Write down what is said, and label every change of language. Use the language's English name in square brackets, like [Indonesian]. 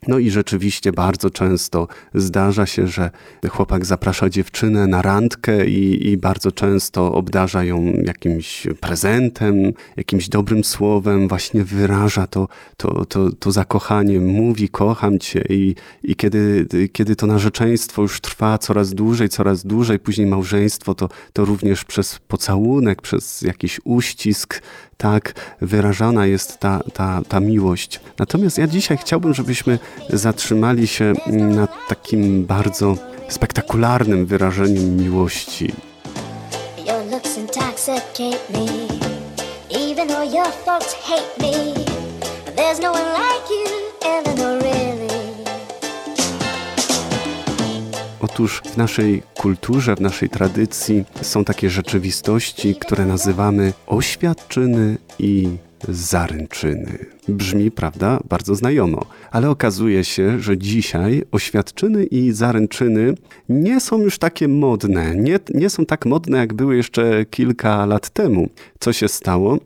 [Polish] No i rzeczywiście bardzo często zdarza się, że chłopak zaprasza dziewczynę na randkę i bardzo często obdarza ją jakimś prezentem, jakimś dobrym słowem, właśnie wyraża to zakochanie, mówi kocham cię i kiedy to narzeczeństwo już trwa coraz dłużej, później małżeństwo, to również przez pocałunek, przez jakiś uścisk, tak wyrażana jest ta miłość. Natomiast ja dzisiaj chciałbym, żebyśmy zatrzymali się na takim bardzo spektakularnym wyrażeniu miłości. [English] Your looks intoxicate me. Even though your folks hate me, there's no one like you, Eleanor Rimmey. [Polish] Otóż w naszej kulturze, w naszej tradycji są takie rzeczywistości, które nazywamy oświadczyny i zaręczyny. Brzmi, prawda, bardzo znajomo, ale okazuje się, że dzisiaj oświadczyny i zaręczyny nie są już takie modne, nie są tak modne, jak były jeszcze kilka lat temu. Co się stało?